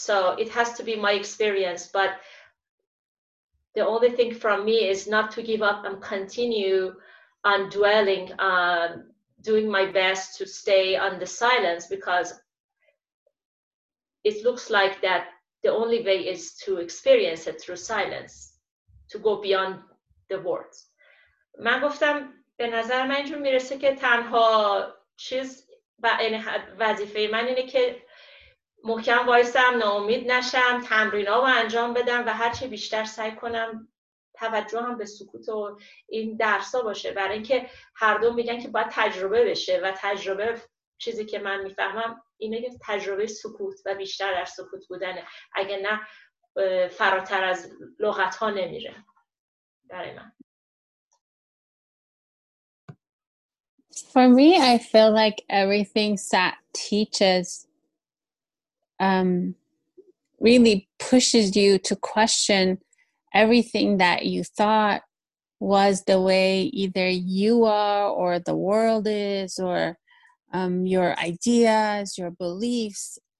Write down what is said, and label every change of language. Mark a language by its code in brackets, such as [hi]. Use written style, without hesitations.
[en] So it has to be my experience, but the only thing from me is not to give up and continue on dwelling, doing my best to stay on the silence, because it looks like that the only way is to experience it through silence, to go beyond the words. [fa] من گفتم به نظر من اینجور میرسه که تنها چیز و وظیفه من اینه که محکم وایستم، ناامید نشم، تمرین ها رو انجام بدم و هرچی بیشتر سعی کنم توجه هم به سکوت و این درس ها باشه، برای اینکه هر دو میگن که باید تجربه بشه و تجربه چیزی که من میفهمم اینه که تجربه سکوت و بیشتر در سکوت بودنه، اگه نه فراتر از لغت ها نمیره برای من. [en] For me, I feel like everything SAT teaches really pushes you to question everything that you thought was the way either you are or the world is, or your ideas, your beliefs.